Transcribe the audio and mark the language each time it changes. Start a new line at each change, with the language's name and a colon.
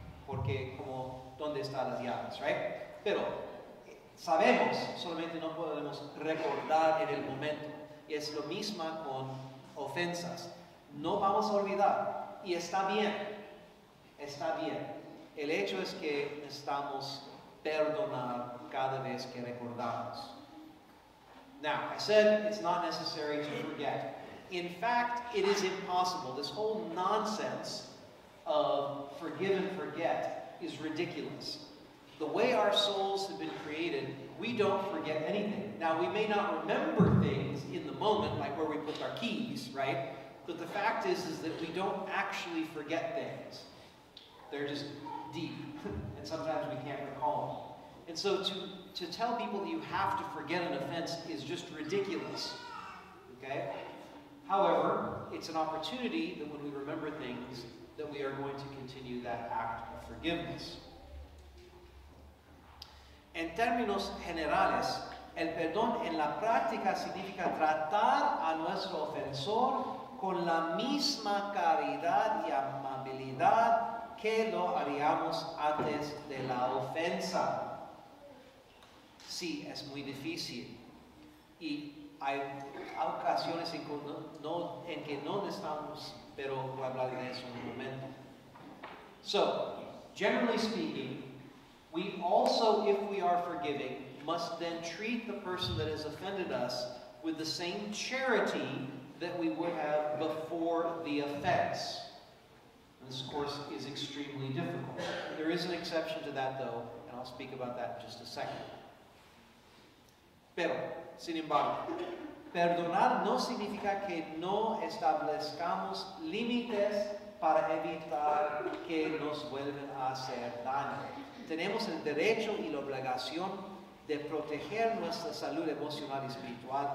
Spanish: Porque, como, ¿dónde están las llaves,
English: right?
Spanish: Pero sabemos, solamente no podemos recordar en el momento. Y es lo mismo con ofensas. No vamos a olvidar. Y está bien, está bien. El hecho es que necesitamos perdonar cada vez que recordamos.
English: Now, I said it's not necessary to forget. In fact, it is impossible. This whole nonsense of forgive and forget is ridiculous. The way our souls have been created, we don't forget anything. Now, we may not remember things in the moment, like where we put our keys, right? But the fact is that we don't actually forget things. They're just deep, and sometimes we can't recall them. And so to tell people that you have to forget an offense is just ridiculous, okay? However, it's an opportunity that when we remember things, that we are going to continue that act of forgiveness.
Spanish: En términos generales, el perdón en la práctica significa tratar a nuestro ofensor con la misma caridad y amabilidad que lo haríamos antes de la ofensa. Sí, es muy difícil. Y hay ocasiones en que no necesitamos, pero voy a hablar de eso en un momento.
English: So, generally speaking, we also, if we are forgiving, must then treat the person that has offended us with the same charity that we would have before the offense. And this, of course, is extremely difficult. There is an exception to that, though, and I'll speak about that in just a second.
Spanish: Pero, sin embargo, perdonar no significa que no establezcamos límites para evitar que nos vuelvan a hacer daño. Tenemos el derecho y la obligación de proteger nuestra salud emocional y espiritual.